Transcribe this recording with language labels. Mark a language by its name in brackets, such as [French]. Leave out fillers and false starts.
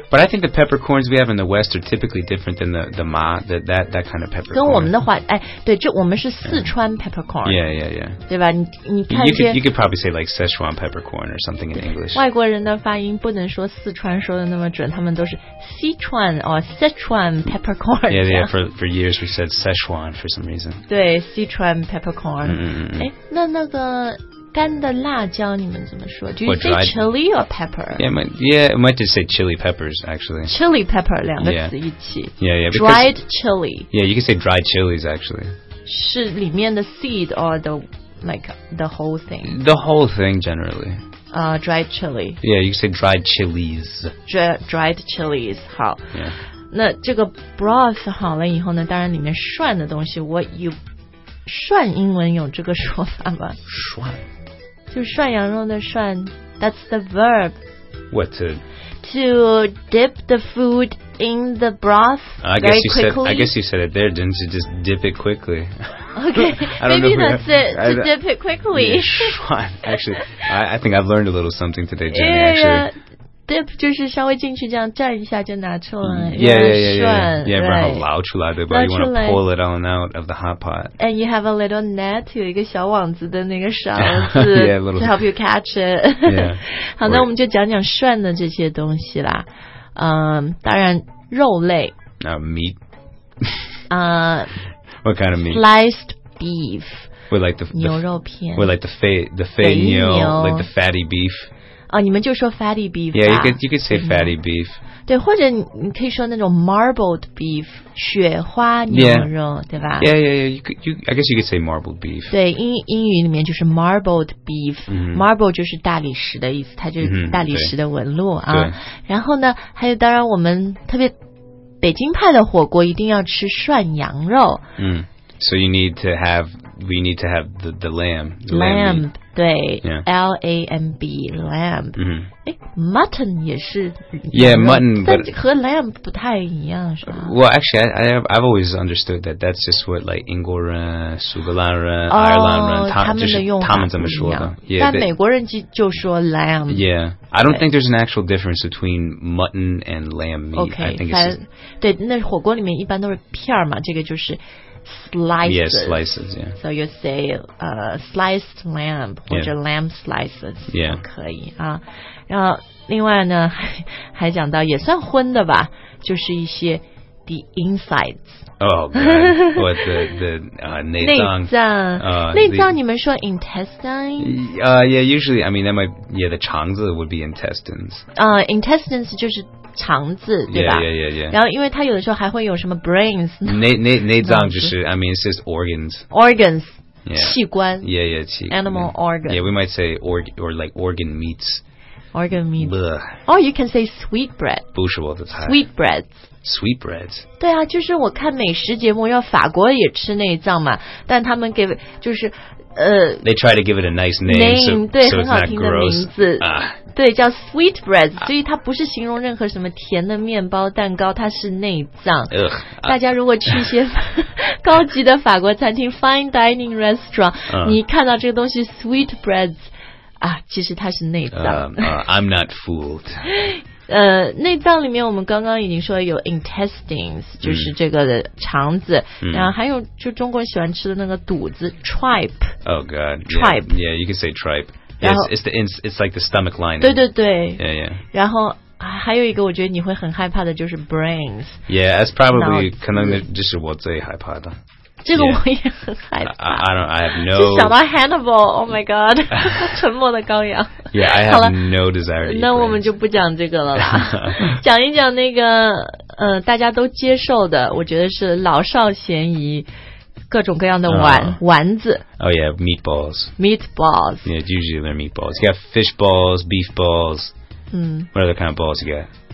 [English] But I think the peppercorns we have in the West are typically different than the ma, that kind of peppercorn. [Chinese] 跟我们的话，哎，对，就我们是四川 peppercorn. [English] Yeah, yeah, yeah. [Chinese] 对吧？你看 [English] you could probably say like Sichuan peppercorn or something in English. [Chinese] 外国人的发音不能说四川说的那么准，他们都是 Sichuan or Sichuan peppercorn. [English] Yeah, yeah. For years we said Sichuan for some reason. 对 ，Sichuan peppercorn. 嗯 [Chinese] 哎，那个。干的辣椒你们怎么说 [English] Do you say chili or pepper? Yeah, I might just say chili peppers actually. [Chinese] Chili pepper 两个词一起 [English] Yeah, Dried chili. Yeah, you can say dried chilies actually. [Chinese] 是里面的 [English] seed or the, like, the whole thing? The whole thing generally. Dried chili. Yeah, you can say dried chilies. Dried chilies, 好、 yeah. [Chinese] 那这个 broth 好了以后呢当然里面涮的东西 [English] What you... [Chinese] 涮英文有这个说法吗？涮，就涮羊肉的涮。 [English] That's the verb. What to dip the food in the broth very quickly? I guess you said it there, didn't you? Just dip it quickly. Okay, maybe that's it. To dip it quickly. Yeah, actually, I think I've learned a little something today, Jenny. Actually. [Chinese] Dip 就是稍微进去这样蘸一下就拿出来 [English] yeah, [Chinese] 涮 [English] yeah, [Chinese] 捞出来对吧 [English] you want to pull it on out of the hot pot and you have a little net [Chinese] 有一个小网子的那个勺子 [English] yeah, little, to help you catch it yeah, [Chinese] 好那我们就讲讲涮的这些东西啦、当然肉类 [English] meat 、 what kind of meat sliced beef with like the [Chinese] 牛肉片 [English] with like the肥牛 like the fatty beef [Chinese] 你们就说 fatty beef [English] Yeah, you could say fatty beef [Chinese] 对或者你可以说那种 marbled beef 雪花牛肉、 [English] yeah. [Chinese] 对吧 [English] Yeah, yeah, yeah I guess you could say marbled beef [Chinese] 对英语里面就是 marbled beef、 mm-hmm. Marble 就是大理石的意思它就是大理石的纹路、 mm-hmm. 啊。然后呢还有当然我们特别北京派的火锅一定要吃涮羊肉、 mm-hmm. [English] So you need to have We need to have the lamb the Lamb, lamb [Chinese] 对、 [English] yeah. L-A-M-B, lamb、 mm-hmm. [Chinese] Mutton 也是 [English] Yeah, mutton [Chinese] 但和 lamb 不太一样是吧 [English] Well, actually, I've always understood that That's just what like [Chinese] 英国人、苏格兰人、爱尔兰人他们怎么说的 [English] yeah, [Chinese] 但美国人就说 lamb [English] Yeah, I don't think there's an actual difference Between mutton and lamb meat okay, I think it's [Chinese] 对那火锅里面一般都是片嘛这个就是Slices. [English] Yeah, slices, yeah. So you say sliced lamb, or、yeah. lamb slices. Yeah. [Chinese] 可以、啊、然后另外呢还讲到也算荤的吧就是一些 the insides. [English] Oh, God. What the 内脏。 [Chinese] 内脏。内脏你们说 intestine? [English] Yeah, usually, I mean, that might, yeah, the 肠子 would be intestines. [Chinese] Intestines 就是肠子对吧 [English] yeah, yeah, yeah, yeah. [Chinese] 然后因为它有的时候还会有什么 brains 内脏就是 [English] I mean it's just organs organs、 yeah. [Chinese] 器官 yeah yeah 器官 [English] animal organs yeah we might say or like organ meats organ meat、 Blech. Oh you can say sweet bread [Chinese] 不是我的菜 [English] sweet breads sweet breads [Chinese] 对啊就是我看美食节目要法国也吃内脏嘛但他们给就是 [English] They try to give it a nice name, name so it's not gross. [Chinese] 很好听的名字，对，叫 sweet bread. 所以它不是形容任何什么甜的面包、蛋糕，它是内脏。大家如果去一些高级的法国餐厅 fine dining restaurant, 你看到这个东西 sweet bread, 啊，其实它是内脏。 [English] I'm not fooled. [Chinese] 内脏里面我们刚刚已经说有 intestines 就是这个肠子、嗯、然后还有就中国人喜欢吃的那个肚子 tripe [English] oh god tripe yeah, yeah you can say tripe it's like the stomach lining [Chinese] 对对对 [English] yeah yeah [Chinese] 然后还有一个我觉得你会很害怕的就是 brains [English] yeah that's probably [Chinese] 可能就是我最害怕的这个我也很害怕 [English] I have no [Chinese] 就想到 Hannibal [English] Oh my god [Chinese] 沉默的羔羊 [English] Yeah I have no desire to eat [Chinese] 那我们就不讲这个了啦讲一讲那个大家都接受的我觉得是老少咸宜各种各样的丸、丸子 [English] Oh yeah meatballs Meatballs Yeah usually they're meatballs You got fish balls Beef balls、嗯、 What other kind of balls you got?